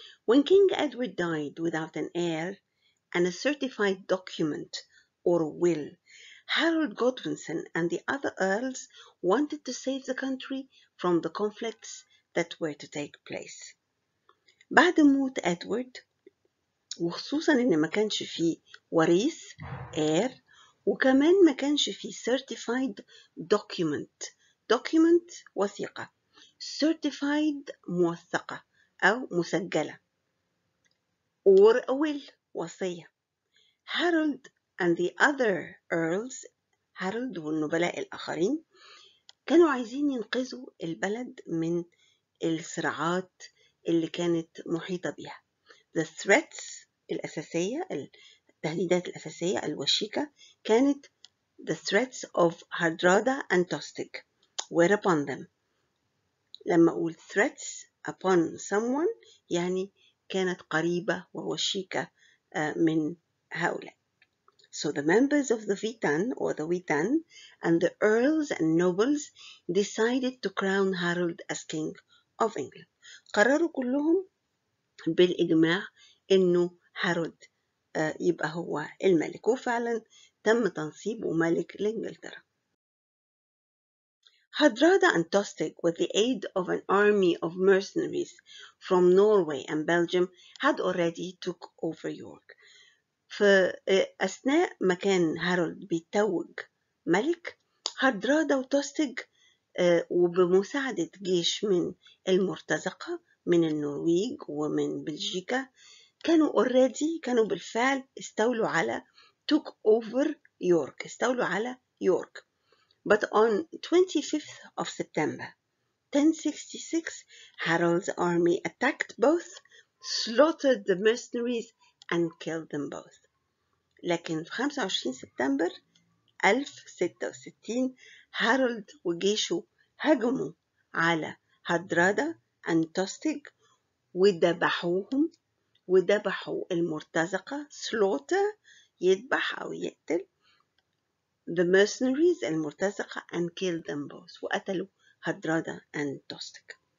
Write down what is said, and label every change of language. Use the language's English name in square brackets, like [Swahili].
[English] When King Edward died without an heir and a certified document or will, Harold Godwinson and the other earls wanted to save the country from the conflicts that were to take place. [Arabic] بعد موت Edward, وخصوصا ان ما كانش فيه وريث heir, وكمان ما كانش فيه [English] certified document. Document, [Arabic] وثيقة. [English] Certified, [Arabic] موثقة أو مسجلة. [English] Or a will, [Arabic] وصية. [English] Harold and the other earls, [Arabic] هارولد والنبلاء الآخرين كانوا عايزين ينقذوا البلد من الصراعات اللي كانت محيطة بها. [English] The threats [Arabic] الأساسية، التهديدات الأساسية الوشيكة كانت [English] the threats of Hardrada and Tostig. Where upon them؟ [Arabic] لما أقول [English] threats upon someone [Arabic] يعني كانت قريبة ووشيكة من هؤلاء. [English] So the members of the Witan or the Witan and the earls and nobles decided to crown Harold as king of England. [Arabic] قرروا كلهم بالإجماع إنه هارولد يبقى هو الملك، وفعلا تم تنصيبه ملك لإنجلترا. [English] Hardrada and Tostig, with the aid of an army of mercenaries from Norway and Belgium, had already took over York. [Arabic] فأثناء ما كان هارولد بيتوج ملك، هاردرادا وتوستيج وبمساعدة جيش من المرتزقة من النرويج ومن بلجيكا كانوا already كانوا بالفعل استولوا على [English] took over York، [Arabic] استولوا على York. [English] But on 25th of September 1066, Harold's army attacked both, slaughtered the mercenaries and killed them both. [Arabic] لكن في 25 سبتمبر 1066 هارولد وجيشه هجموا على هاردرادا and Tostig ودبحوهم، ودبحوا المرتزقة slaughter يذبح أو يقتل [English] the mercenaries [Arabic] المرتزقة [English] and killed them both [Arabic] وقتلوا هاردرادا and Tostig.